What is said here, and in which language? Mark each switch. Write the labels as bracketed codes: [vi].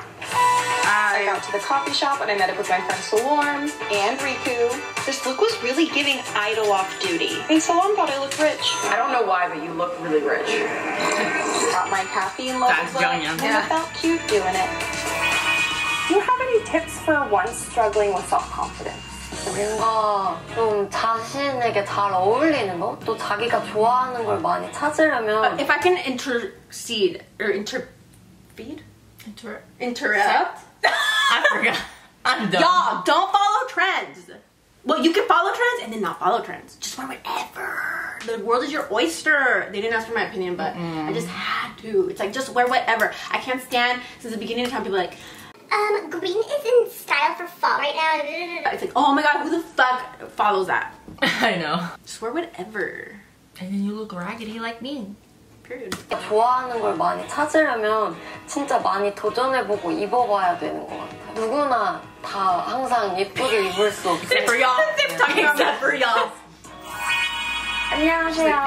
[en] I got to the coffee shop and I met up with my friend Salorn and Riku. This look was really giving idol off duty. And Salorn thought I looked rich. I don't know why, but you look really rich. Got my caffeine level. I felt cute doing it. Do you have any tips for one struggling with self-confidence? [ko] 뭔가 좀 자신에게 잘 어울리는 거? 또 자기가 좋아하는 걸 많이 찾으려면 [en] But if I can intercede or interfeed? Interrupt? I forgot. I'm done. Y'all, don't follow trends. Well, you can follow trends and then not follow trends. Just wear whatever. The world is your oyster. They didn't ask for my opinion, but I just had to. It's like, just wear whatever. I can't stand since the beginning of time people are like, green is in style for fall right now. It's like, oh my god, who the fuck follows that? I know. Just wear whatever. And then you look raggedy like me. [ko] 좋아하는 걸 많이 찾으려면 진짜 많이 도전해보고 입어봐야 되는 것 같아요. 누구나 다 항상 예쁘게 입을 수 없어요. [en] Except for y'all. Except for [ko] y'all. 안녕하세요.